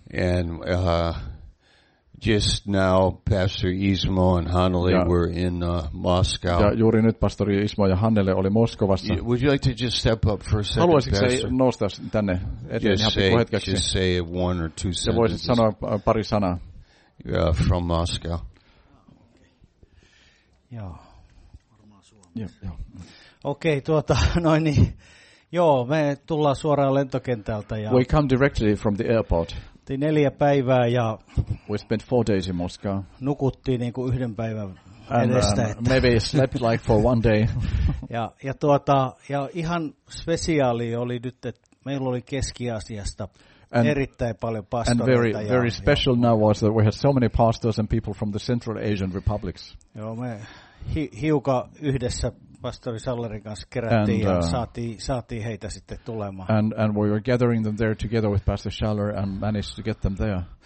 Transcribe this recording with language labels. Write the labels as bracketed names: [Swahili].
[English] And just now, Pastor Ismo and Hanele were in Moscow. [Finnish] Ja juuri nyt pastori Ismo ja Hanele oli Moskovassa. [English] Would you like to just step up for a second, [Finnish] haluaisitko [English] pastor? [Finnish] Haluaisitko nousta tänne eteen ihan pikku hetkeksi? [English] Just say one or two sentences. [Finnish] Ja voisit sanoa pari sanaa. [English] From Moscow. [Finnish] Joo, varmaan Suomessa. Okei, noin niin. Joo, me tullaan suoraan lentokentältä. [English] We come directly from the airport. [Finnish] Tein 4 päivää ja [English] we spent 4 days in Moscow. [Finnish] Nukuttiin niin kuin 1 päivän edestä. [English] Maybe slept like for one day. [Finnish] ja ihan spesiaali oli nyt, että meillä oli Keski-Aasiasta erittäin paljon pastoreita. [English] And very special now was that we had so many pastors and people from the Central Asian Republics. [Finnish] Joo, me hiukan yhdessä pastori Sallerin kanssa kerättiin ja saatiin heitä sitten tulemaan. [English] And we were gathering them there together with Pastor Schaller and managed to get them there.